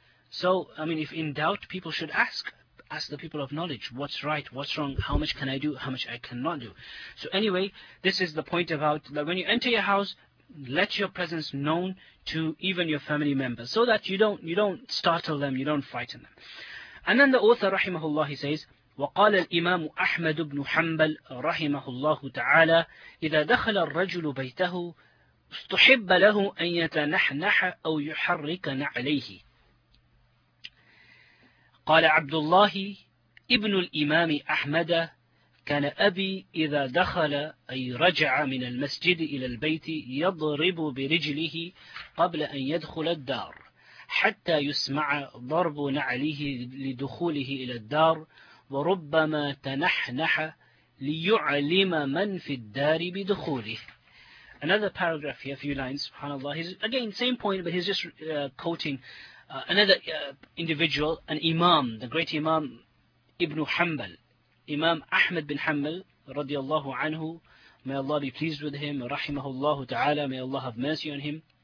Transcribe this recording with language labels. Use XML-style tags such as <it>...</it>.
<en>So, I mean, if in doubt, people should ask the people of knowledge, what's right, what's wrong, how much can I do, how much I cannot do. So anyway, this is the point about that when you enter your house, let your presence known to even your family members, so that you don't startle them, you don't frighten them. And then the author, rahimahullah, he says,</en> <ar>وقال الإمام أحمد بن حنبل رحمه الله تعالى إذا دخل الرجل بيته استحب له أن يتنحنح أو يحرك نعليه. قال عبد الله ابن الإمام أحمد كان أبي إذا دخل أي رجع من المسجد إلى البيت يضرب برجله قبل أن يدخل الدار حتى يسمع ضرب نعليه لدخوله إلى الدار وربما تنحنح ليعلم من في الدار بدخوله.</ar> <en>Another paragraph here, a few lines, subhanAllah. He's again same point, but he's just quoting another individual, an imam, the great imam Ibn Hanbal. Imam Ahmad bin Hanbal, radiallahu anhu, may Allah be pleased with him, rahimahullahu ta'ala, may Allah have mercy on him.</en>